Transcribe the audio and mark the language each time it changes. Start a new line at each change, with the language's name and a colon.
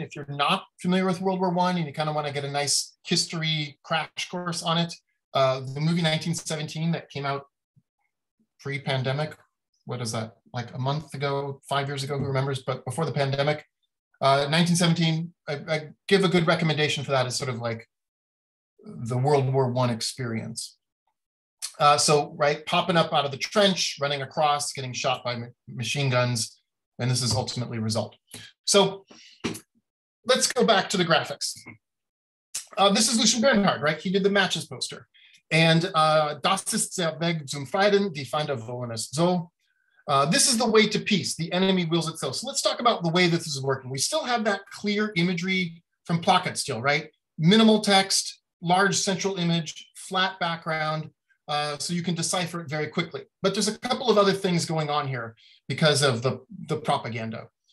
English: If you're not familiar with World War I and you kind of want to get a nice history crash course on it, the movie 1917 that came out pre-pandemic, what is that, like a month ago, 5 years ago, who remembers, but before the pandemic, 1917, I give a good recommendation for that as sort of like the World War I experience. Popping up out of the trench, running across, getting shot by machine guns, and this is ultimately the result. So let's go back to the graphics. This is Lucian Bernhard, right? He did the matches poster.
German: And das ist der Weg zum Frieden, die Feinde wollen es so.
English: This is the way to peace. The enemy wills it so. So let's talk about the way this is working. We still have that clear imagery from Plakat still, right? Minimal text, large central image, flat background, so you can decipher it very quickly. But there's a couple of other things going on here because of the propaganda.